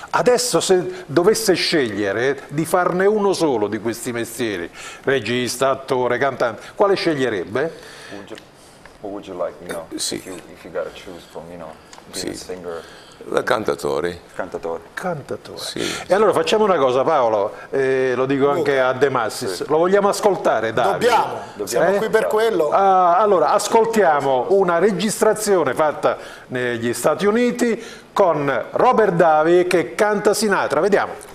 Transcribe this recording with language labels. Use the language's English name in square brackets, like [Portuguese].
[Italian] Adesso se dovesse scegliere di farne uno solo di questi mestieri, regista, attore, cantante, quale sceglierebbe? [English] What would you like, you know? [Italian] Sì. [English] If you got to choose from, you know, being a singer. [Italian] Cantatore. Sì. E allora facciamo una cosa, Paolo, lo dico anche a De Massis, sì. Lo vogliamo ascoltare, Davide? Dobbiamo. Siamo qui per quello. Allora, ascoltiamo una registrazione fatta negli Stati Uniti con Robert Davi che canta Sinatra, vediamo.